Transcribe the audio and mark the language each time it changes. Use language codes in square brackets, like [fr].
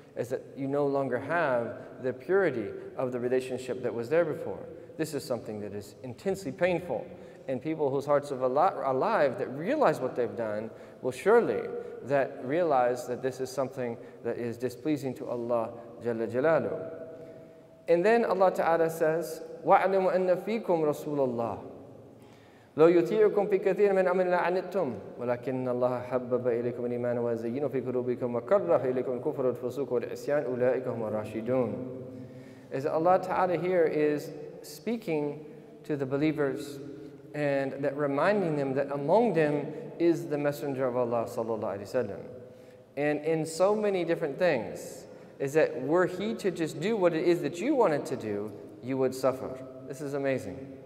[en] Is that you no longer have the purity of the relationship that was there before. This is something that is intensely painful. And people whose hearts are alive that realize what they've done will surely that realize that this is something that is displeasing to Allah Jalla Jalalu. And then Allah Ta'ala says, [ar] وَعْلِمُ أَنَّ فِيكُمْ رَسُولَ اللَّهِ لَوْ يُطِيعُكُمْ فِي كَثِيرٍ مِنْ أَمْرٍ لَعَنِتُّمْ وَلَكِنَّ اللَّهَ حَبَّبَ إِلَيْكُمْ الْإِيمَانَ وَزَيَّنَهُ فِي قُلُوبِكُمْ وَكَرَّهَ إِلَيْكُمْ الْكُفْرَ وَالْفُسُوقَ وَالْعِصْيَانَ أُولَٰئِكَ هُمُ الرَّاشِدُونَ. [en] As Allah Ta'ala here is speaking to the believers and that reminding them that among them is the Messenger of Allah sallallahu alaihi wasallam. And in so many different things, is that were he to just do what it is that you wanted to do, you would suffer. This is amazing.